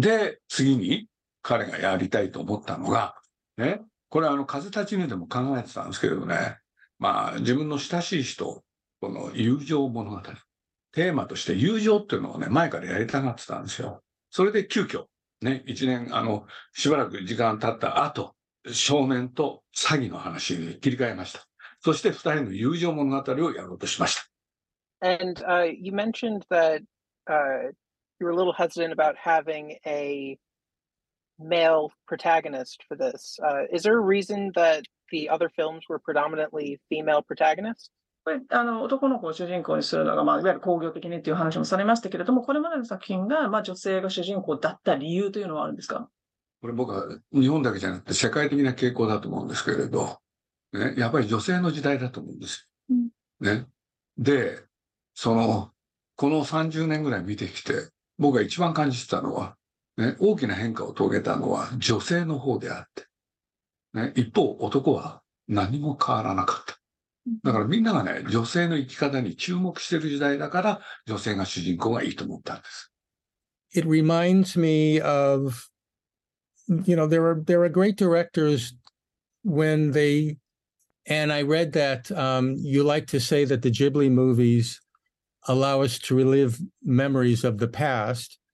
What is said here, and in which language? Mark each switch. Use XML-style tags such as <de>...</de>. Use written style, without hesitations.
<ja>で、次に彼がやりたいと思ったのが、ね、これは風立ちぬでも考えてたんですけどね、まあ自分の親しい人、この友情物語、テーマとして友情っていうのをね、前からやりたがってたんですよ。それで急遽、ね、一年、しばらく時間経った後、少年と詐欺の話に切り替えました。そして二人の友情物語をやろうとしました。</ja> <en>And you mentioned that you were a little hesitant about having a male protagonist for this. Is there a reason that the other films were predominantly female protagonists?</en> <ja>これ男の子を主人公にするのが、まあ、いわゆる工業的にっていう話もされましたけれども、これまでの作品が、まあ、女性が主人公だった理由というのはあるんですか？これ僕は日本だけじゃなくて世界的な傾向だと思うんですけれど、ね、やっぱり女性の時代だと思うんですよ。ね、で、この30年ぐらい見てきて、僕が一番感じてたのは、ね、大きな変化を遂げたのは女性の方であって、ね、一方男は何も変わらなかった。だからみんながね、女性の生き方に注目してる時代だから、女性が主人公がいいと思ったんです。</ja> <en>It reminds me of, you know, there are great directors when they, and I read that, you like to say that the Ghibli movies allow us to relive memories of the past.</en>